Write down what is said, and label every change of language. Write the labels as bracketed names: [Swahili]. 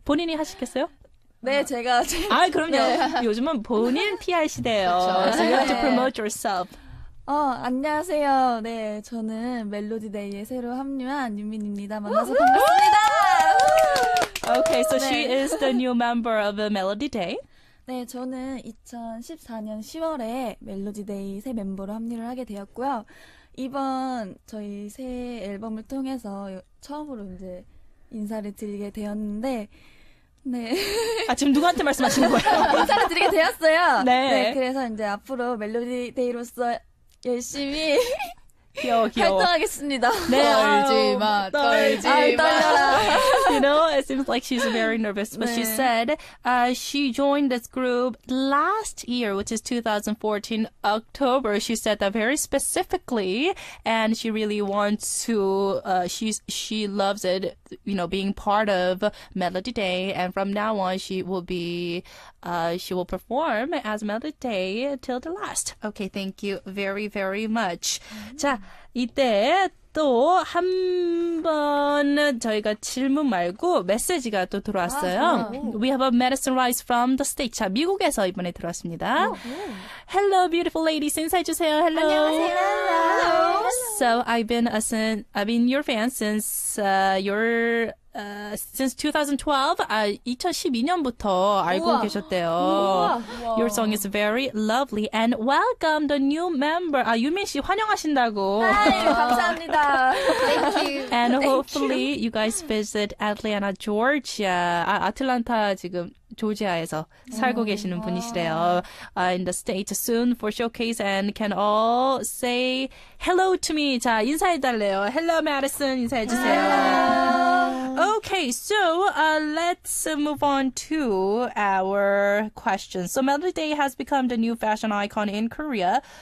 [Korean] 본인이 하시겠어요? 네, 제가. 아, 그럼요. 네. 요즘은 본인 PR 시대예요. 그렇죠. [English] So you have to promote yourself. [Korean] 안녕하세요. 네, 저는 멜로디데이에 새로 합류한 유민입니다. 만나서 반갑습니다. [English] Okay, so 네. she is the new member of the MelodyDay. [Korean] 네, 저는 2014년 10월에 멜로디데이 새 멤버로 합류를 하게 되었고요. 이번 저희 새 앨범을 통해서 처음으로 이제 인사를 드리게 되었는데 네. 아, 지금 누구한테 말씀하시는 거예요? 인사를 드리게 되었어요. 네. 네, 그래서 이제 앞으로 멜로디데이로서 열심히 귀여워. 활동하겠습니다. 네, 떨지 마. [English] You know, it seems like she's very nervous, but 네. she said she joined this group last year, which is 2014 October. She said that very specifically, and she really wants to. She loves it, you know, being part of MelodyDay, and from now on, she will be. She will perform as MelodyDay till the last. Okay, thank you very, very much. Mm-hmm. [Korean] 자, 이때 또 한 번 저희가 질문 말고 메시지가 또 들어왔어요. 아, [English] We have a medicine rise from the state. [Korean] 자, 미국에서 이번에 들어왔습니다. [English] Hello, beautiful ladies. [Korean] 인사해주세요. [English] Hello. [Korean] 안녕하세요. [English] Hello. So, I've been your fan since since 2012, [Korean] 2012년부터 알고 우와. 계셨대요. 우와. [English] Your song is very lovely and welcome the new member. [Korean] 아, 유민 씨 환영하신다고. Hi, 감사합니다. [English] Thank you. And hopefully you guys visit Atlanta, Georgia. [Korean] 아, 아틀란타 지금 조지아에서 살고 계시는 분이시래요. [English] In the state soon for showcase and can all say hello to me. [Korean] 자, 인사해달래요. [English] Hello, Madison. [Korean] 인사해주세요. [English] Okay, so let's move on to our questions. So MelodyDay has become the new fashion icon in Korea.